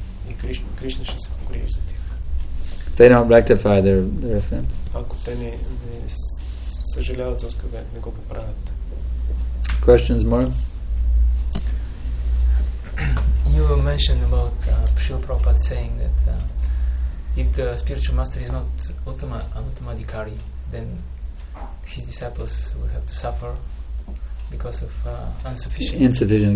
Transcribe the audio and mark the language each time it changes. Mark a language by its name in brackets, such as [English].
[Bulgarian] И Кришна ще се погрижи за тях. [English] If they don't rectify their offense. [Bulgarian] Ако те не съжаляват за оскърбението, не го поправят. [English] Questions more? You mentioned about Srila Prabhupada saying that if the spiritual master is not an Uttamadhikari, then his disciples will have to suffer because of insufficient